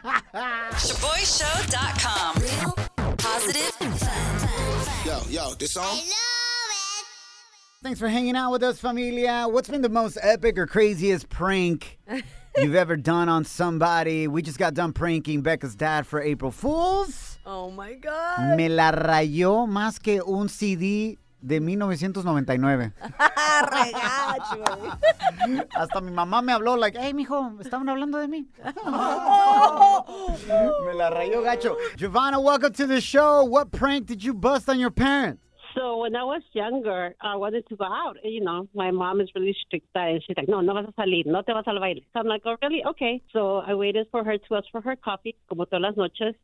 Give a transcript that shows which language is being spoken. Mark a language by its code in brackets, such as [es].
[en] ShaboyShow.com. Real, positive, fun. Yo, this song? I love it. Thanks for hanging out with us, familia. What's been the most epic or craziest prank you've ever done on somebody? We just got done pranking Becca's dad for April Fools. Oh, my God. [es] Me la rayó más que un CD de 1999. Hasta mi mamá me habló [en] like, hey, [es] mijo, estaban hablando de mí. Me la rayó gacho. [en] Giovanna, welcome to the show. What prank did you bust on your parents? So when I was younger, I wanted to go out. You know, my mom is really strict. And she's like, [es] no vas a salir. No te vas al baile. [en] So I'm like, oh, really? Okay. So I waited for her to ask for her coffee, [es] como todas las noches.